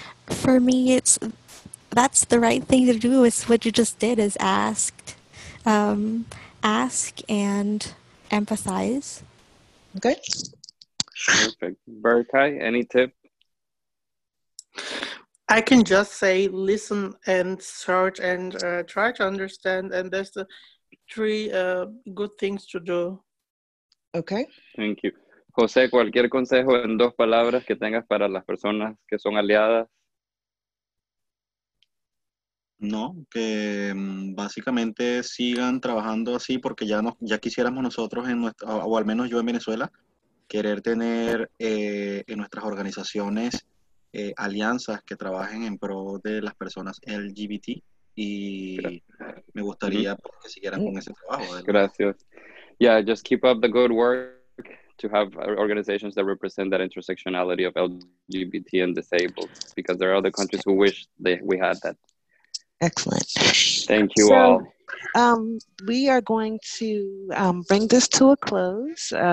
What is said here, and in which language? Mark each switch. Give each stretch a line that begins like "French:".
English: For me, that's the right thing to do. It's what you just did is ask and empathize. Okay. Perfect. Berkay, any tip? I can just say listen and search and try to understand, and that's the three good things to do. Okay. Thank you.
Spanish: Jose, cualquier consejo en dos palabras que tengas para las personas que son aliadas? No, que básicamente sigan trabajando así porque ya quisiéramos nosotros, o al menos yo en Venezuela, querer tener en nuestras organizaciones alianzas que trabajen en pro de las personas LGBT y me gustaría que siguieran con ese trabajo. Gracias.
English: Yeah, just keep up the good work to have organizations that represent that intersectionality of LGBT and disabled, because there are other countries who wish we had that. Excellent. Thank you all. We are going to bring this to a close.